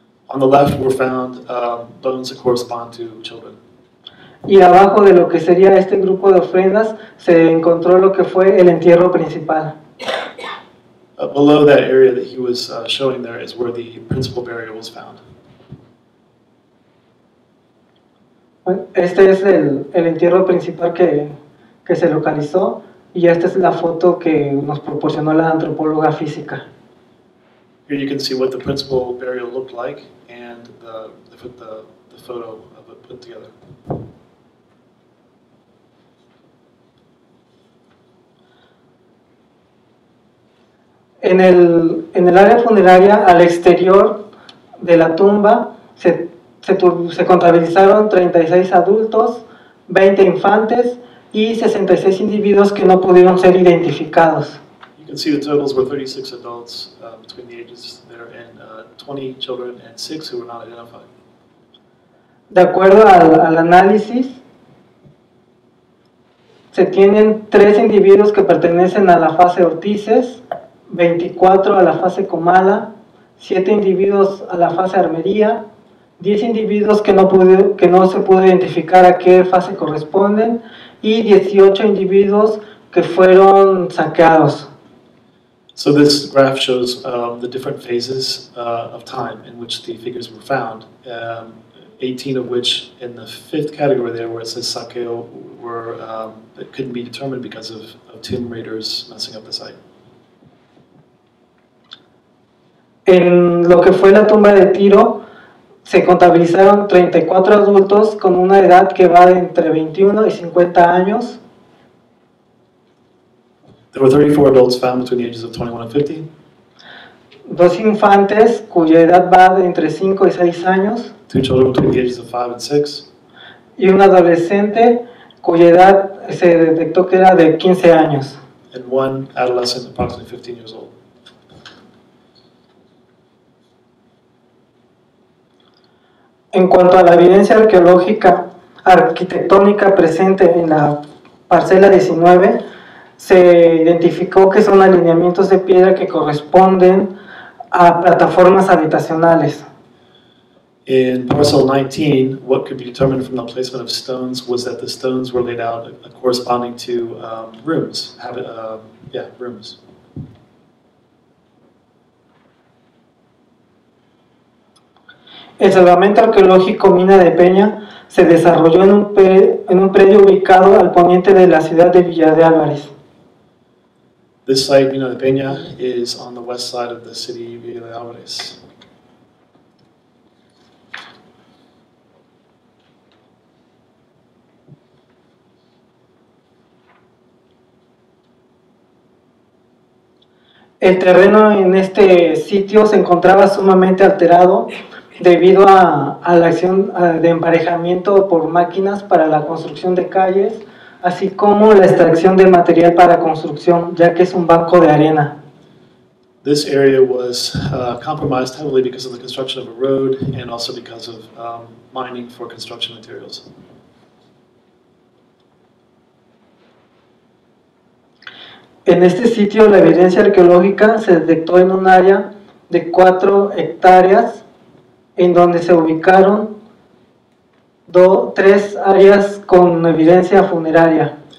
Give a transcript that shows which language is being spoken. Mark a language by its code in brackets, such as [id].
[en] On the left were found bones that correspond to children. [es] Y abajo de lo que sería este grupo de ofrendas se encontró lo que fue el entierro principal. [en] Below that area that he was showing there is where the principal burial was found. [es] Este es el entierro principal que se localizó y esta es la foto que nos proporcionó la antropóloga física. [en] Here you can see what the principal burial looked like and the photo of it put together. [es] En el área funeraria, al exterior de la tumba, se contabilizaron 36 adultos, 20 infantes y 66 individuos que no pudieron ser identificados. [en] You can see the totals were 36 adults between the ages there and 20 children and 6 who were not identified. [es] De acuerdo al análisis, se tienen 3 individuos que pertenecen a la fase Ortices, 24 a la fase Comala, 7 individuos a la fase Armería, 10 individuos que no se pudo identificar a qué fase corresponden y 18 individuos que fueron saqueados. [en] So this graph shows the different phases of time in which the figures were found, 18 of which in the fifth category there where it says saqueo were that couldn't be determined because of tomb raiders messing up the site. [es] En lo que fue la tumba de Tiro, se contabilizaron 34 adultos con una edad que va de entre 21 y 50 años. [en] There were 34 adults found between the ages of 21 and 50. [es] Dos infantes cuya edad va de entre 5 y 6 años. [en] Two children between the ages of 5 and 6. [es] Y un adolescente cuya edad se detectó que era de 15 años. [en] And one adolescent approximately 15 years old. [es] En cuanto a la evidencia arqueológica arquitectónica presente en la parcela 19, se identificó que son alineamientos de piedra que corresponden a plataformas habitacionales. [en] In parcel 19, what could be determined from the placement of stones was that the stones were laid out corresponding to rooms, rooms. [es] El salvamento arqueológico Mina de Peña se desarrolló en un predio ubicado al poniente de la ciudad de Villa de Álvarez. [en] This site, Mina de Peña, is on the west side of the city of Villa de Álvarez. [es] El terreno en este sitio se encontraba sumamente alterado debido a la acción de emparejamiento por máquinas para la construcción de calles, así como la extracción de material para construcción, ya que es un banco de arena. [en] This area was compromised heavily because of the construction of a road and also because of mining for construction materials. [es] En este sitio, la evidencia arqueológica se detectó en un área de 4 hectáreas en donde se ubicaron 3 áreas con evidencia funeraria.